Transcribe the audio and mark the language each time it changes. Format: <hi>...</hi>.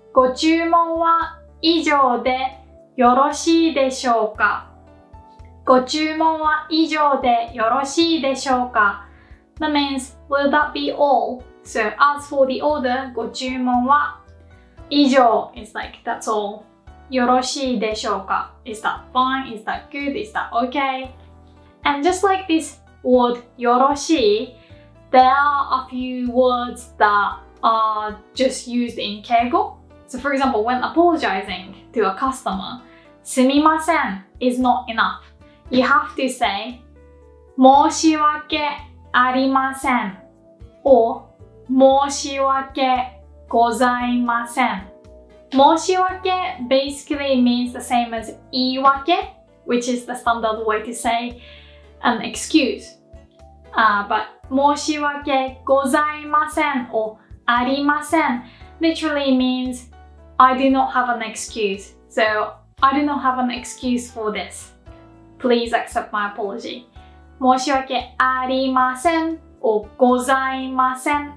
<ja>ご注文は以上でよろしいでしょうか? ご注文は以上でよろしいでしょうか?</ja> <en>That means, will that be all? So, as for the order,</en> <ja>ご注文は以上</ja> <en>is like, that's all.</en> <ja>よろしいでしょうか?</ja> <en>Is that fine? Is that good? Is that okay? And just like this word, よろしい, there are a few words that are just used in 敬語. So, for example, when apologizing to a customer,</en> <ja>すみません is not enough.</ja> <en>You have to say</en> <ja>申し訳ありません or 申し訳ございません</ja> <en>申し訳 basically means the same as 言い訳 which is the standard way to say an excuse but</en> <ja>申し訳ございません or ありません</ja> <en>literally means I do not have an excuse so I do not have an excuse for thisPlease accept my apology.</en> <ja>申し訳ありません or ございません</ja>